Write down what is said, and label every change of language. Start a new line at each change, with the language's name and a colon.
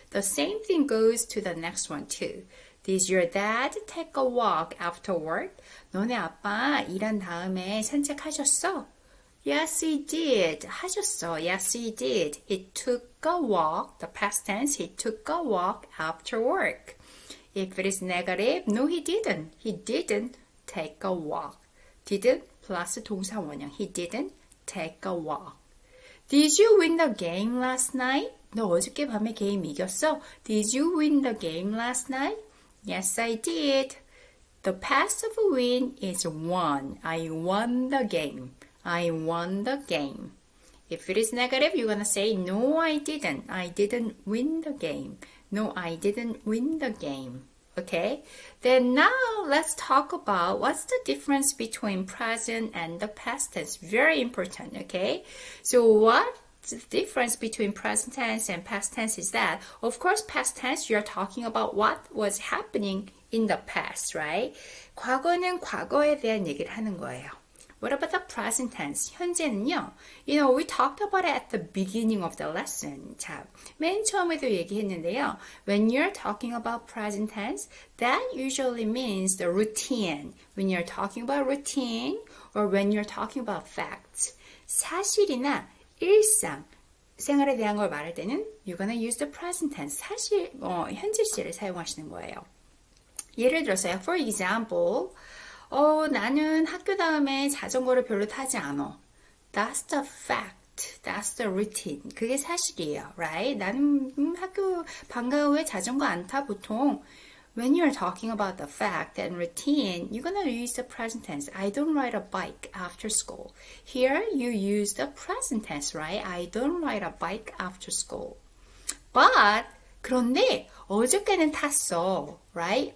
English: The same thing goes to the next one too. Did your dad take a walk after work?
Korean: 너네 아빠 일한 다음에 산책하셨어?
English: Yes, he did.
Korean: 하셨어.
English: Yes, he did. He took a walk. The past tense. He took a walk after work. If it is negative, no, he didn't. He didn't take a walk. Didn't plus
Korean: 동사 원형.
English: He didn't take a walk. Did you win the game last night?
Korean: 너 어저께 밤에 게임 이겼어?
English: Did you win the game last night? Yes, I did. The passive win is won. I won the game. I won the game. If it is negative, you're gonna say, no, I didn't. I didn't win the game. No, I didn't win the game. Okay? Then now let's talk about what's the difference between present and the past tense. Very important, okay? So what the difference between present tense and past tense is that, of course, past tense, you're talking about what was happening in the past, right?
Korean: 과거는 과거에 대한 얘기를 하는 거예요.
English: What about the present tense?
Korean: 현재는요.
English: You know, we talked about it at the beginning of the lesson.
Korean: 자, 맨 처음에도 얘기했는데요.
English: When you're talking about present tense, that usually means the routine. When you're talking about routine or when you're talking about facts.
Korean: 사실이나 일상, 생활에 대한 걸 말할 때는
English: you're gonna use the present tense.
Korean: 사실, 현재 시제를 사용하시는 거예요. 예를 들어서요.
English: For example,
Korean: 나는 학교 다음에 자전거를 별로 타지 않아.
English: That's the fact. That's the routine.
Korean: 그게 사실이에요,
English: right?
Korean: 나는 학교 방과 후에 자전거 안 타, 보통.
English: When you're talking about the fact and routine, you're gonna use the present tense. I don't ride a bike after school. Here, you use the present tense, right? I don't ride a bike after school. But,
Korean: 그런데, 어저께는 탔어,
English: right?